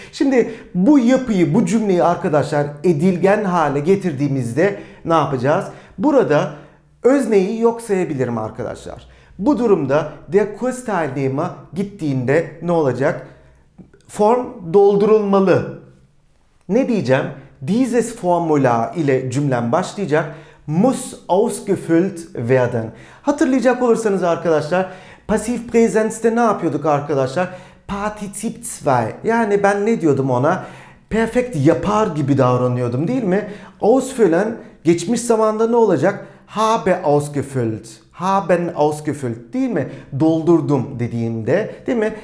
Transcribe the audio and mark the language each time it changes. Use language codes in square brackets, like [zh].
[tr] Şimdi bu yapıyı, bu cümleyi arkadaşlar edilgen hale getirdiğimizde ne yapacağız? Burada özneyi yok sayabilirim arkadaşlar. Bu durumda der Kursteilnehmer gittiğinde ne olacak? Form doldurulmalı. Ne diyeceğim? Dieses Formular ile cümlem başlayacak. [de] Muss ausgefüllt werden. [tr] Hatırlayacak olursanız arkadaşlar, Passiv Präsens'te ne yapıyorduk arkadaşlar? Partizip 2. Yani ben ne diyordum ona? Perfekt yapar gibi davranıyordum, değil mi? Ausfüllen geçmiş zamanda ne olacak? [de] Habe ausgefüllt. Haben ausgefüllt, [tr] değil mi? Doldurdum dediğimde, değil mi?